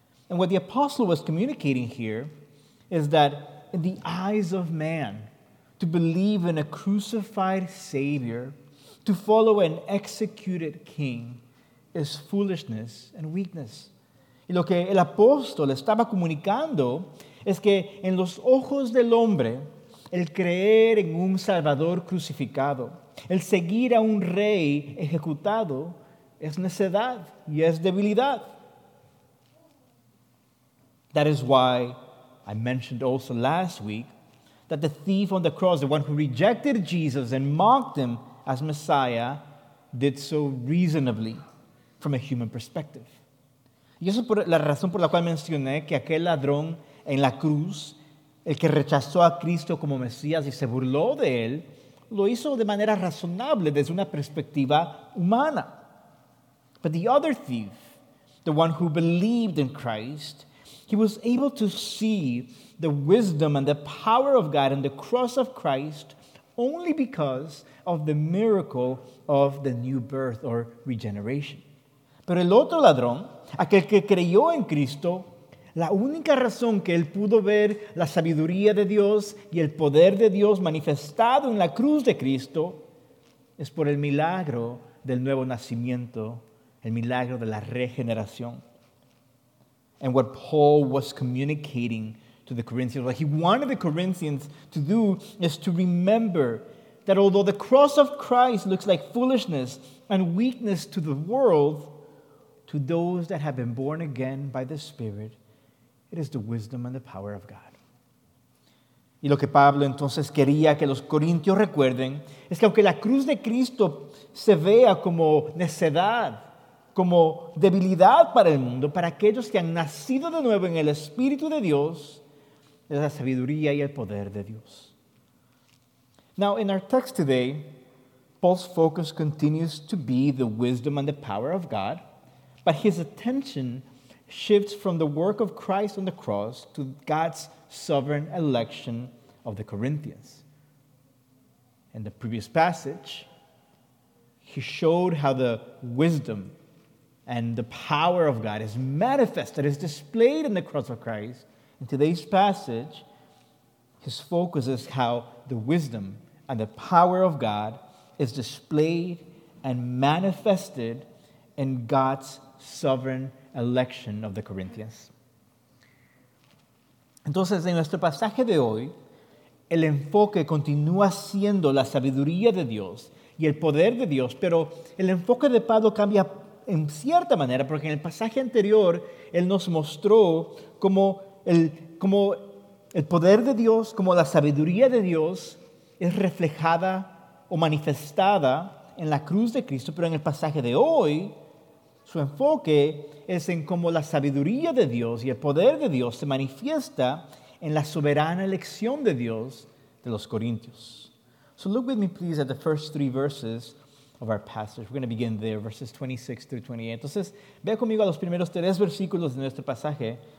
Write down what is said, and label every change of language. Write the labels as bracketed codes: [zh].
[en] And what the apostle was communicating here is that in the eyes of man, to believe in a crucified Savior, to follow an executed king, is foolishness and weakness. [es] Y lo que el apóstol estaba comunicando es que en los ojos del hombre, el creer en un Salvador crucificado, el seguir a un rey ejecutado, es necedad y es debilidad. [en] That is why I mentioned also last week that the thief on the cross, the one who rejected Jesus and mocked him as Messiah, did so reasonably from a human perspective. [es] Y eso es la razón por la cual mencioné que aquel ladrón en la cruz, el que rechazó a Cristo como Mesías y se burló de él, lo hizo de manera razonable desde una perspectiva humana. [en] But the other thief, the one who believed in Christ He was able to see the wisdom and the power of God and the cross of Christ only because of the miracle of the new birth or regeneration. [es] Pero el otro ladrón, aquel que creyó en Cristo, la única razón que él pudo ver la sabiduría de Dios y el poder de Dios manifestado en la cruz de Cristo es por el milagro del nuevo nacimiento, el milagro de la regeneración. [en] And what Paul was communicating to the Corinthians, what he wanted the Corinthians to do is to remember that although the cross of Christ looks like foolishness and weakness to the world, to those that have been born again by the Spirit, it is the wisdom and the power of God. [es] Y lo que Pablo entonces quería que los corintios recuerden es que aunque la cruz de Cristo se vea como necedad, como debilidad para el mundo, para aquellos que han nacido de nuevo en el Espíritu de Dios, es la sabiduría y el poder de Dios. [en] Now, in our text today, Paul's focus continues to be the wisdom and the power of God, but his attention shifts from the work of Christ on the cross to God's sovereign election of the Corinthians. In the previous passage, he showed how the wisdom and the power of God is manifested, is displayed in the cross of Christ. In today's passage, his focus is how the wisdom and the power of God is displayed and manifested in God's sovereign election of the Corinthians. [es] Entonces, en nuestro pasaje de hoy, el enfoque continúa siendo la sabiduría de Dios y el poder de Dios, pero el enfoque de Pablo cambia en cierta manera, porque en el pasaje anterior él nos mostró cómo el poder de Dios, cómo la sabiduría de Dios es reflejada o manifestada en la cruz de Cristo, pero en el pasaje de hoy su enfoque es en cómo la sabiduría de Dios y el poder de Dios se manifiesta en la soberana elección de Dios de los corintios. [en] So look with me please at the first three verses of our passage. We're going to begin there, verses 26 through 28. [es] Entonces, ve conmigo a los primeros tres versículos de nuestro pasaje.